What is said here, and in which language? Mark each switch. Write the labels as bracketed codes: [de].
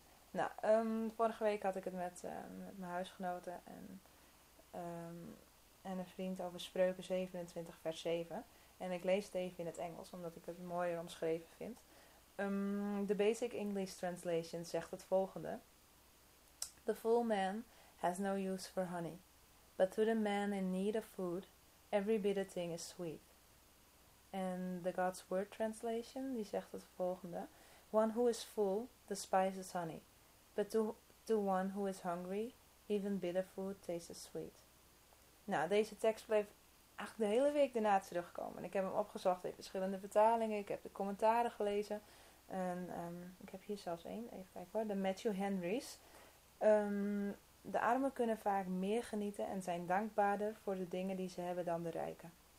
[nl] Nou, vorige week had ik het met mijn huisgenoten en een vriend over Spreuken 27 vers 7. En ik lees het even in het Engels, omdat ik het mooier omschreven vind. De Basic English Translation zegt het volgende. [en] The full man has no use for honey, but to the man in need of food, every bitter thing is sweet. [nl] En de God's Word Translation die zegt het volgende. [en] One who is full despises honey. But to one who is hungry, even bitter food tastes sweet. [nl] Nou, deze tekst bleef eigenlijk de hele week daarna terugkomen. Ik heb hem opgezocht in verschillende vertalingen. Ik heb de commentaren gelezen. En ik heb hier zelfs één. Even kijken hoor. De Matthew Henry's. De armen kunnen vaak meer genieten en zijn dankbaarder voor de dingen die ze hebben dan de rijken.